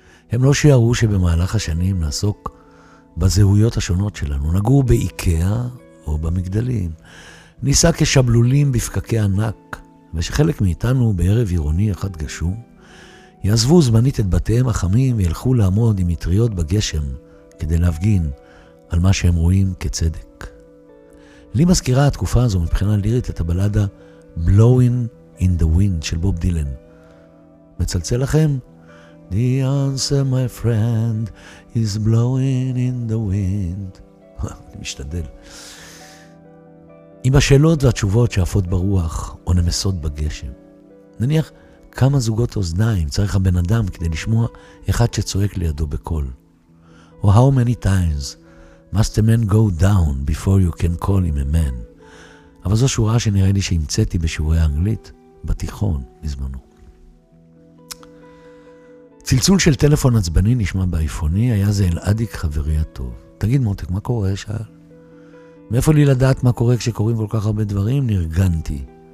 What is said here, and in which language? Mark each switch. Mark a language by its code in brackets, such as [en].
[he] הם לא שיערו שבמהלך השנים נעסוק בזהויות השונות שלנו, נגעו באיקאה או במגדלים, ניסה כשבלולים בפקקי ענק, ושחלק מאיתנו בערב עירוני אחד גשום, יעזבו זמנית את בתיהם החמים וילכו לעמוד עם מטריות בגשם כדי להפגין על מה שהם רואים כצדק. לי מזכירה התקופה הזו מבחינה לירית את הבלדה Blowing in the Wind של בוב דילן. מצלצל לכם? [en] The answer my friend is blowing in the wind. [he] אני משתדל. עם השאלות והתשובות שעפות ברוח או נמסות בגשם. נניח כמה זוגות אוזניים צריך הבן אדם כדי לשמוע אחד שצועק לידו בקול. [en] או how many times must a man go down before you can call him a man. [he] אבל זו שורה שנראה לי שהמצאתי בשיעורי האנגלית בתיכון בזמנו. צלצול של טלפון עצבני נשמע באייפוני, היה זה אל עדיק חברי הטוב. תגיד מותק, מה קורה? שאל. מאיפה לי לדעת מה קורה כשקורים כל כך הרבה דברים? נרגנתי.